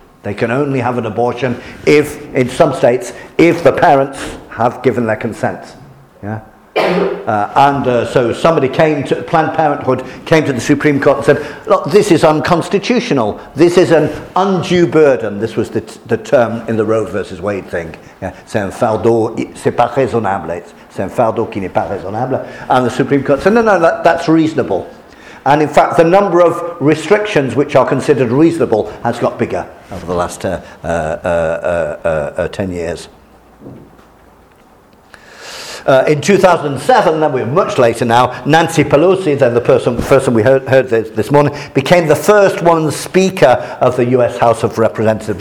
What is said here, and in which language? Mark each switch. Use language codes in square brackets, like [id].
[en] They can only have an abortion if, in some states, if the parents have given their consent. Yeah. So somebody came to Planned Parenthood, came to the Supreme Court and said, look, this is unconstitutional. This is an undue burden. This was the term in the Roe versus Wade thing. Yeah. [fr] C'est un fardeau, c'est pas raisonnable. C'est un fardeau qui n'est pas raisonnable. [en] And the Supreme Court said, no, that's reasonable. And in fact, the number of restrictions which are considered reasonable has got bigger over the last 10 years. In 2007, then we're much later now, Nancy Pelosi, then the person we heard this morning, became the first woman speaker of the US House of Representatives.